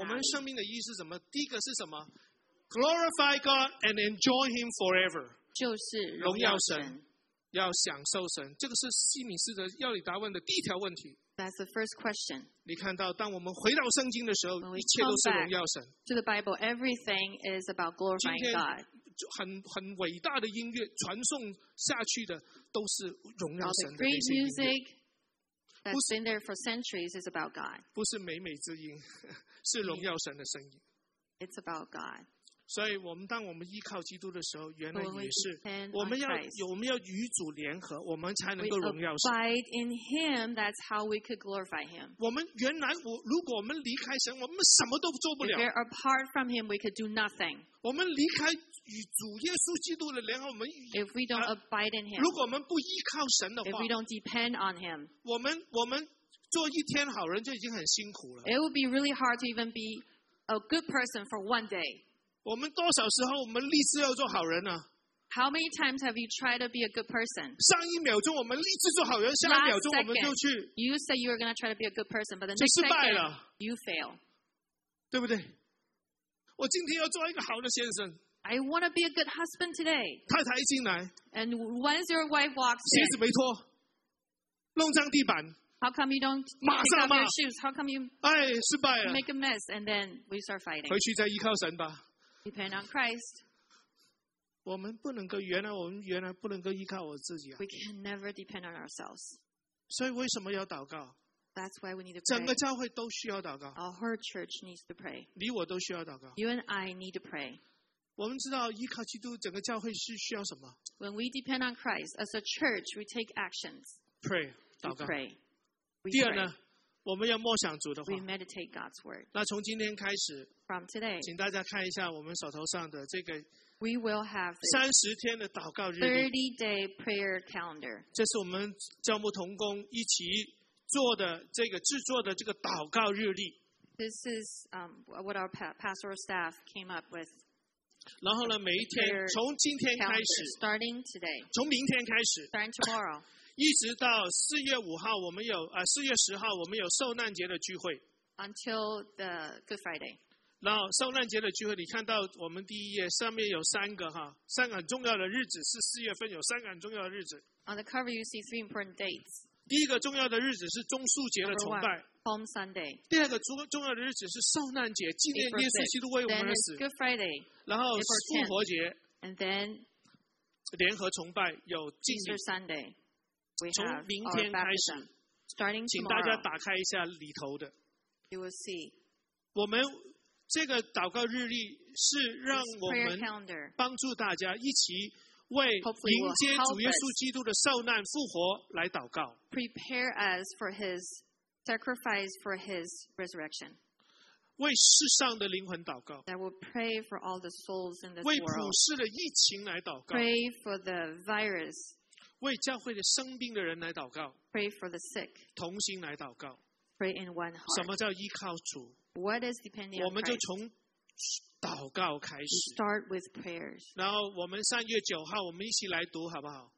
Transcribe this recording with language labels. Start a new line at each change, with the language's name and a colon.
Chinese: 我们生命的意义是什么？第一个是什么 ？
English: Glorify God and enjoy Him forever。
Chinese: 就是荣耀神，要享受神。这个是西敏寺的要你答问的第一条问题。
English: That's the first question.
Chinese: 你看到，当我们回到圣经的时候，一切都是荣耀神。
English: To the Bible, everything is about glorifying God.
Chinese: 很伟大的音乐传颂下去的都是荣耀神的那些音乐。
English: Great music that's been there for centuries is about God.
Chinese: 不是美美之音，是荣耀神的声音。
English: It's about God.
Chinese: 所以我们当我们依靠基督的时候，原来也是我们要与主联合，我们才能够荣耀神。
English: We abide in Him. That's how we could glorify Him.
Chinese: 我们原来我如果我们离开神，我们什么都做不了。
English: If we're apart from Him, we could do nothing.
Chinese: 我们离开与主耶稣基督的联合，我们
English: If we don't abide in Him,
Chinese: 如果我们不依靠神的话
English: ，If we don't depend on Him,
Chinese: 我们做一天好人就已经很辛苦了。
English: It would be really hard to even be a good person for one day.
Chinese: 我们多少时候我们立志要做好人呢？
English: How many times have you tried to be a good person?
Chinese: 上一秒钟我们立志做好人，下一秒钟我们就去。
English: You said you were going to try to be a good person, but the next second,
Chinese: 就失败了。
English: You fail.
Chinese: 对不对？我今天要做一个好的先生。
English: I want to be a good husband today.
Chinese: 太太一进来。
English: And once your wife walks in,
Chinese: 鞋子没脱，弄脏地板。
English: How come you don't pick up your shoes? How come you make a mess and then we start fighting?
Chinese: 回去再依靠神吧。
English: Depend on Christ.
Chinese: 我们不能够原来我们原来不能够依靠我自己啊。
English: We can never depend on ourselves.
Chinese: 所以为什么要祷告？
English: That's why we need to pray.
Chinese: 整个教会都需要祷告。
English: Our whole church needs to pray.
Chinese: 你我都需要祷告。
English: You and I need to pray.
Chinese: 我们知道依靠基督，整个教会是需要什么？
English: When we depend on Christ as a church, we take actions. Pray,
Chinese: 祷告。
English: Pray.
Chinese: 第二呢，我们要默想主的话。
English: We meditate God's word.
Chinese: 那从今天开始
English: ，From today,
Chinese: 请大家看一下我们手头上的这个。
English: We will have
Chinese: 30天的祷告日历。
English: 30-day prayer calendar.
Chinese: 这是我们教牧同工一起做的这个制作的这个祷告日历。
English: This is what our pastoral staff came up with.
Chinese: 然后呢，每一天从今天开始
English: ，Starting today.
Chinese: 从明天开始
English: ，Starting tomorrow.
Chinese: 一直到四月五号，我们有四月十号，我们有受难节的聚会。
English: Until the Good Friday。
Chinese: 然后受难节的聚会，你看到我们第一页上面有三个哈，三个很重要的日子是四月份有三个很重要的日子。
English: On the cover, you see three important dates.
Chinese: 第一个重要的日子是中树节的崇拜
English: one, ，Palm Sunday。
Chinese: 第二个重要的日子是受难节，纪念耶稣基督为我们而死。
English: Good Friday。
Chinese: 然后复活节
English: ，And then
Chinese: 联合崇拜有敬礼
English: Sunday。
Chinese: 从明天开始
English: tomorrow,
Chinese: 请大家打开一下里头的
English: you will see,
Chinese: 我们这个祷告日历是让我们帮助大家一起为迎接主耶稣基督的受难复活来祷告
English: prepare us for his sacrifice for his resurrection,
Chinese: 为世上的灵魂祷告
English: that will pray for all the souls in this
Chinese: 为普世的疫情来祷告
English: pray for the virus,
Chinese: 为教会的生病的人来祷告
English: ，Pray for the sick，
Chinese: 同心来祷告
English: ，Pray in one heart。
Chinese: 什么叫依靠主
English: ？What is depending on Christ？
Chinese: 我们就从祷告开始
English: ，Start with prayers。
Chinese: 然后我们三月九号，我们一起来读好不好